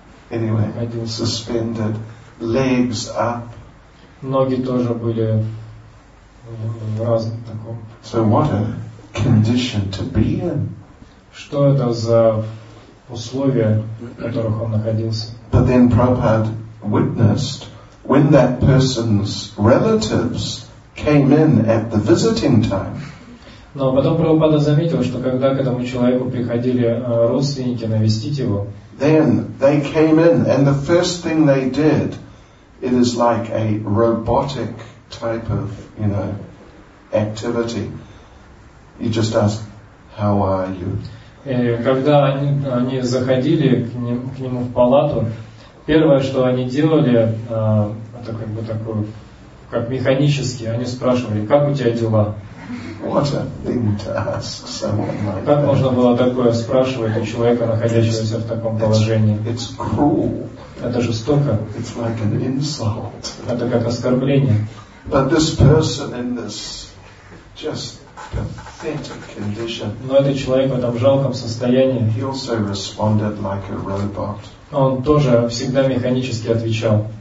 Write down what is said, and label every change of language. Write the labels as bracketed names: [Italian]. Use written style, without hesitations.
[English] anyway, [Russian] находился. [English] Suspended, legs up. [Russian] Ноги тоже были в разном таком. [English] So what a condition to be in. [Russian] Что это за условия, в которых он находился? [English] But then Prabhupada witnessed when that person's relatives came in at the visiting time. [Russian] Но потом Прабхупада заметил, что когда к этому человеку приходили родственники навестить его, [English] then they came in, and the first thing they did, it is like a robotic type of, you know, activity. You just ask, how are you? [Russian] И когда они заходили к нему в палату, первое, что они делали, это как бы такое, как механически, они спрашивали, как у тебя дела? [English] What a thing to ask someone like that. [Russian] Как можно было такое спрашивать у человека, находящегося в таком положении? [English] It's cruel. [Russian] Это жестоко. [English] It's like an insult. [Russian] Это как оскорбление. [English] But this person in this just pathetic condition. [Russian] Но этот человек в этом жалком состоянии. [English] He also responded like a robot. [Russian] Он тоже всегда механически отвечал.